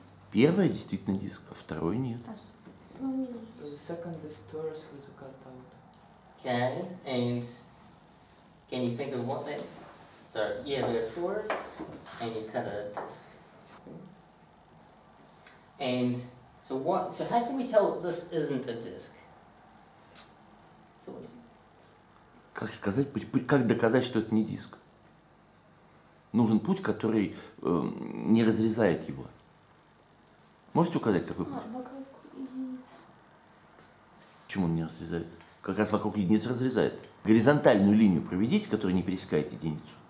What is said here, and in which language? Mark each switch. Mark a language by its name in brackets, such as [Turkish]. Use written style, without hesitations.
[Russian] Первое действительно диск, а второй нет. [English] The second is torus with a cutout. Okay, and can you think of what that? So yeah, we have torus and you cut a disc. And so what? So how can we tell this isn't a disc? So what's? [Russian] Как сказать? Как доказать, что это не диск? Нужен путь, который не разрезает его. Можете указать такой путь? Вокруг единицы. Почему он не разрезает? Как раз вокруг единицы разрезает. Горизонтальную линию проведите, которая не пересекает единицу.